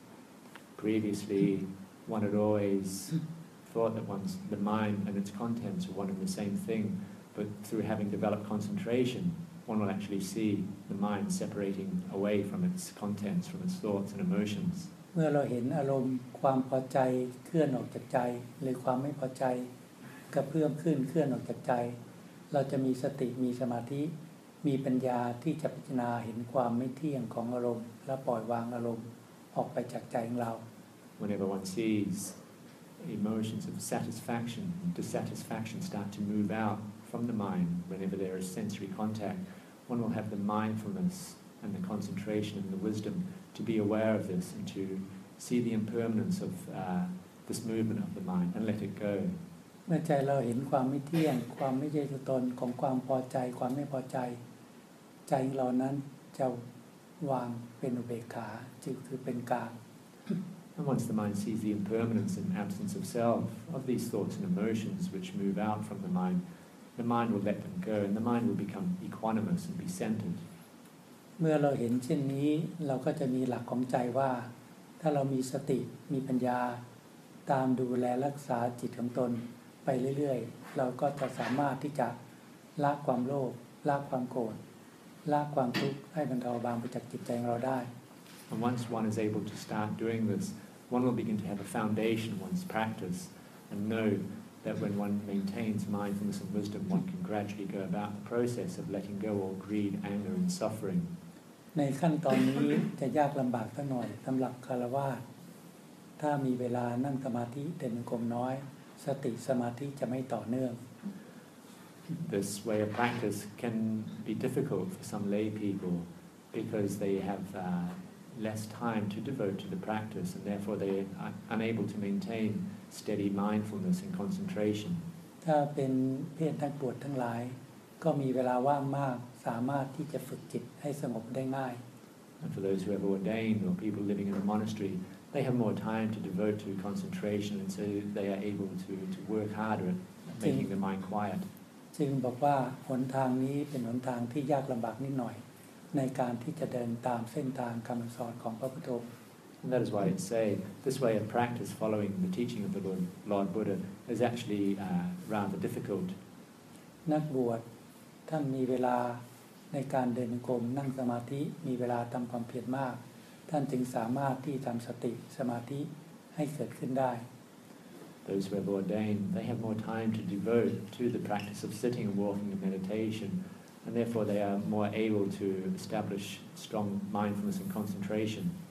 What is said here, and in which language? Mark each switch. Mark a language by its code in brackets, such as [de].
[en] Previously one had always thought that one's the mind and its contents are one and the same thing but through having developed concentration one will actually see the mind separating away from its contents from its thoughts and emotions [th] เมื่อเราเห็นอารมณ์ความพอใจเคลื่อนออกจากใจหรือความไม่พอใจกระเพื่อมขึ้นเคลื่อนออกจากใจเราจะมีสติมีสมาธิมีปัญญาที่จะพิจารณาเห็นความไม่เที่ยงของอารมณ์และปล่อยวางอารมณ์ออกไปจากใจของเรา [en] Whenever one sees emotions of satisfaction and dissatisfaction start to move out from the mind whenever there is sensory contact one will have the mindfulness and the concentration and the wisdomto be aware of this and to see the impermanence of this movement of the mind and let it go [th] เมื่อใจเราเห็นความไม่เที่ยงความไม่ใช่ตัวตนของความพอใจความไม่พอใจใจเรานั้นจะวางเป็นอุเบกขาจึงคือเป็นกลาง [en] And once the mind sees the impermanence and absence of self of these thoughts and emotions which move out from the mind will let them go and the mind will become equanimous and be centered [th] เมื่อเราเห็นเช่นนี้เราก็จะมีหลักของใจว่าถ้าเรามีสติมีปัญญาตามดูแลรักษาจิตของตนไปเรื่อยๆเราก็จะสามารถที่จะละความโลภละความโกรธละความทุกข์ให้บรรเทาบางไปจากจิตใจของเราได้ [en] And once one is able to start doing this one will begin to have a foundation one's practice and know that when one maintains mindfulness and wisdom one can gradually go about the process of letting go all greed anger and suffering [th] ในขั้นตอนนี้จะยากลำบากสักหน่อยสำหรับคารวาสถ้ามีเวลานั่งสมาธิเดินจงกรมน้อยสติสมาธิจะไม่ต่อเนื่อง [en] This way of practice can be difficult for some lay people because they have less time to devote to the practice and therefore they are unable to maintain steady mindfulness and concentration [th] ถ้าเป็นเพศนักบวชทั้งหลายก็มีเวลาว่างมากสามารถที่จะฝึกจิตให้สงบได้ง่าย [en] And for those who have ordained or people living in a monastery, they have more time to devote to concentration, and so they are able to work harder at making the mind quiet. [th] จึงบอกว่าหนทางนี้เป็นหนทางที่ยากลำบากนิดหน่อยในการที่จะเดินตามเส้นทางคำสอนของพระพุทธองค์ [en] And that is why it says this way of practice following the teaching of the Lord Buddha is actually rather difficult. [th] นักบวชท่านมีเวลาในการเดินโกมนั่งสมาธิมีเวลาทำความเพียรมากท่านจึงสามารถที่ทำสติสมาธิให้เกิดขึ้นได้ [en] Those who have ordained, they have more time to devote to the practice of sitting and walking and meditation, and therefore they are more able to establish strong mindfulness and concentration.